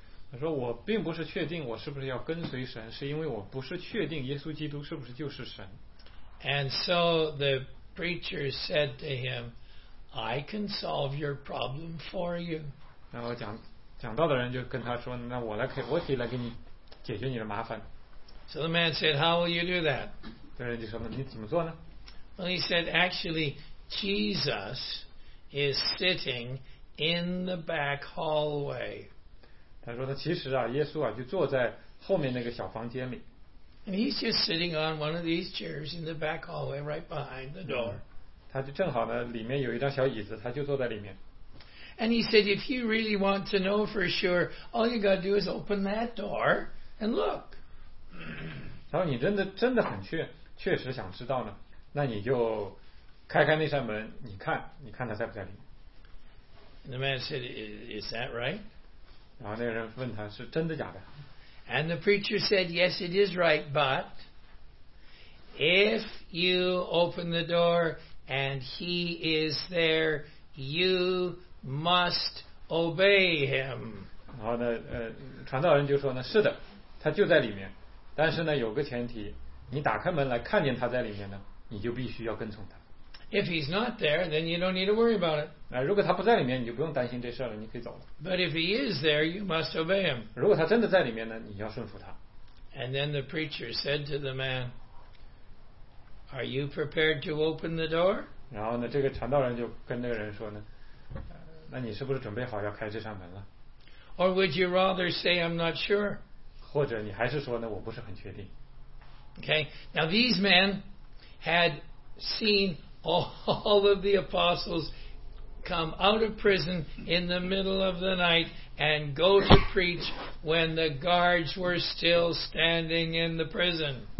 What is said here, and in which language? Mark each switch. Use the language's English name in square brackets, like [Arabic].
[Chinese] 他说我并不是确定我是不是要跟随神，是因为我不是确定耶稣基督是不是就是神。 [English] And so the preacher said to him, "I can solve your problem for you." [Chinese] 然后讲道的人就跟他说，那我可以来给你解决你的麻烦。 [English] So the man said, "How will you do that?" [Chinese] 这人就说，你怎么做呢？ [English] Well, he said, "Actually, Jesus is sitting in the back hallway." [Chinese] 他说他其实啊，耶稣啊，就坐在后面那个小房间里。 [English] And he's just sitting on one of these chairs in the back hallway, right behind the door. [Chinese] 他就正好呢，里面有一张小椅子，他就坐在里面。 [English] And he said, "If you really want to know for sure, all you got to do is open that door and look." [Chinese] 他说你真的很确实想知道呢，那你就开开那扇门，你看他在不在里面。 [English] The man said, "Is that right?" [Chinese] 然后那个人问他是真的假的。 [English] And the preacher said, "Yes, it is right, but if you open the door and he is there, you must obey him." [Chinese] 然后呢，传道人就说呢，是的，他就在里面，但是呢，有个前提，你打开门来看见他在里面呢，你就必须要跟从他。 [English] If he's not there, then you don't need to worry about it. [Chinese] 如果他不在里面，你就不用担心这事了，你可以走了。 [English] But if he is there, you must obey him. [Chinese] 如果他真的在里面呢，你要顺服他。 [English] And then the preacher said to the man, "Are you prepared to open the door?" [Chinese] 然后呢，这个传道人就跟那个人说呢，那你是不是准备好要开这扇门了？ [English] Or would you rather say, "I'm not sure"? [Chinese] 或者你还是说呢，我不是很确定。 [English] Okay, now these men had seen. All of the apostles come out of prison in the middle of the night and go to preach when the guards were still standing in the prison.